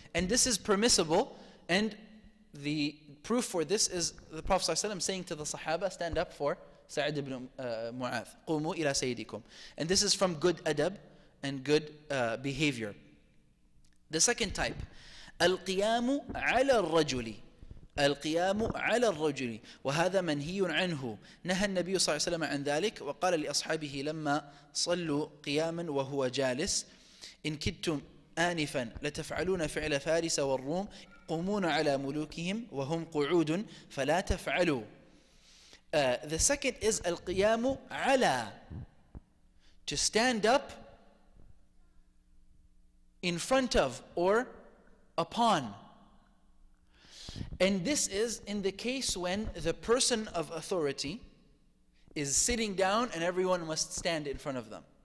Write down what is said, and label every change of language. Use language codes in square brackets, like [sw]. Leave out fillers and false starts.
[en] And this is permissible. And the proof for this is the Prophet ﷺ saying to the Sahaba, stand up for Sa'd ibn Mu'adh. [ar] قُومُوا إِلَى سَيِّدِكُمْ. [en] And this is from good adab and good behavior. The second type, [ar] القيام على الرجل. القيام على الرجل وهذا منهي عنه. نهى النبي صلى الله عليه وسلم عن ذلك وقال لأصحابه لما صلوا قياما وهو جالس إن كدتم آنفا لتفعلون فعل فارس والروم قومون على ملوكهم وهم قعود فلا تفعلوا. [en] The second is [ar] القيام على. [en] To stand up in front of or upon. And this is in the case when the person of authority is sitting down and everyone must stand in front of them.